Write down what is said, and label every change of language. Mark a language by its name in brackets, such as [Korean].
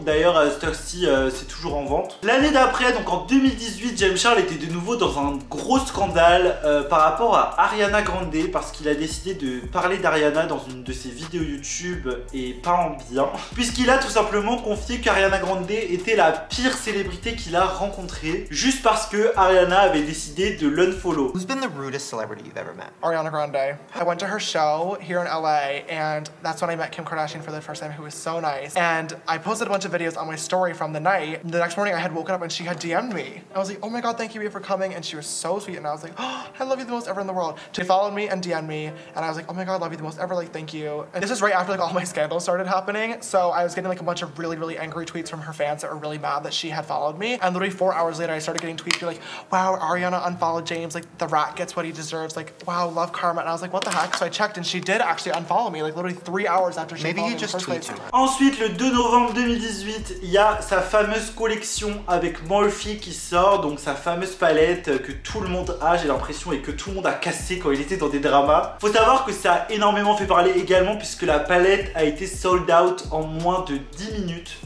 [French] D'ailleurs, à cette heure-ci, c'est toujours en vente. L'année d'après, donc en 2018, James Charles était de nouveau dans un gros scandale par rapport à Ariana Grande, parce qu'il a décidé de parler d'Ariana dans une de ses vidéos YouTube et pas en bien, puisqu'il a tout simplement confié qu'Ariana Grande était la pire célébrité qu'il a rencontrée juste parce que Ariana avait décidé de l'unfollow. [English] Who's been the rudest celebrity you've ever met? Ariana Grande. I went to her show here in LA and that's when I met Kim Kardashian for the first time, who was so nice. And I posted a bunch of videos on my story from the night. The next morning I had woken up and she had DM'd me. I was like, oh my god, thank you for coming. And she was so sweet and I was like, oh, I love you the most ever in the world. She followed me and DM'd me and I was like, oh my god, I love you the most ever, like, thank you. And this is right after like all my scandals started happening, so I was getting like a bunch of really really angry tweets from her fans that were really mad that she had followed me. And literally 4 hours later I started getting tweets being like, wow, Ariana unfollowed James, like the rat gets what he deserves, like wow, love karma. And I was like, what the heck. So I checked and she did actually unfollow me like literally 3 hours after she followed me. Maybe he just tweeted. [French] Ensuite, le 2 novembre 2018, il y a sa fameuse collection avec Morphe qui sort, donc sa fameuse palette que tout le monde a, j'ai l'impression, et que tout le monde a cassé quand il était dans des dramas. Faut savoir que ça a énormément fait parler également puisque la palette a été sold out en moins de 10 minutes.